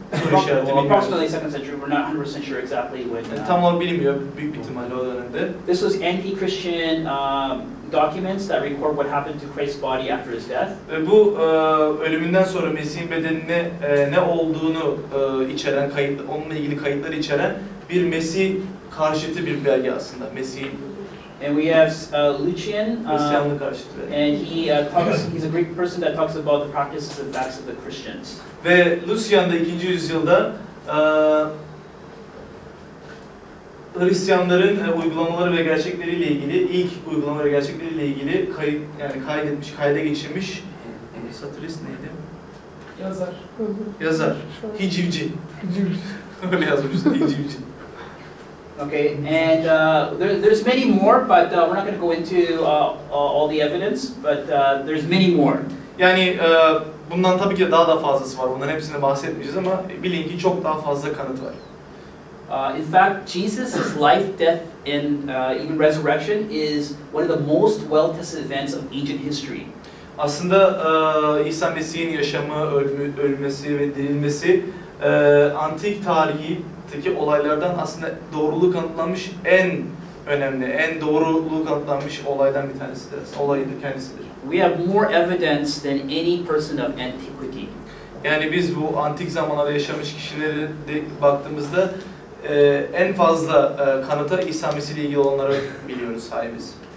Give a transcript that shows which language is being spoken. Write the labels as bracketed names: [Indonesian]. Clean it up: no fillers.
[English] Approximately second century, we're not 100% sure exactly when. [Turkish] Tam olarak bilmiyor, büyük ihtimalle o dönemde. [English] This was anti-Christian documents that record what happened to Christ's body after his death. [Turkish] Bu ölümünden sonra Mesih'in bedenine ne olduğunu içeren kayıt, onunla ilgili kayıtları içeren bir Mesih karşıtı bir belge aslında. Mesih'in. [English] And we have Lucian, and he talks. He's a Greek person that talks about the practices and facts of the Christians. [Turkish] Ve Lucian da 2. yüzyılda Hristiyanların uygulamaları ve gerçekleriyle ilgili ilk uygulamaları ve gerçekleriyle ilgili kaydetmiş, kayda geçirmiş satirist neydi? Yazar. Yazar. Hicivci. Hicivci. Öyle yazmış da hicivci. [English] Okay, and there's many more, but we're not going to go into all the evidence, but there's many more. [Turkish] Yani bundan tabii ki daha da fazlası var. Bunların hepsini bahsetmeyeceğiz ama bilin ki çok daha fazla kanıt var. [English] In fact, Jesus' life, death, and even resurrection is one of the most well-tested events of ancient history. [Turkish] Aslında İsa Mesih'in yaşamı, ölmesi ve dirilmesi antik tarihteki olaylardan aslında doğruluğu kanıtlanmış en önemli, en doğruluğu kanıtlanmış olaydan bir tanesidir. Olaydır kendisidir. [English] We have more evidence than any person of antiquity. [Turkish] Yani biz bu antik zamanlarda yaşamış kişilere baktığımızda en fazla kanıta İsa Mesih ile ilgili olanları biliyoruz sahibiz.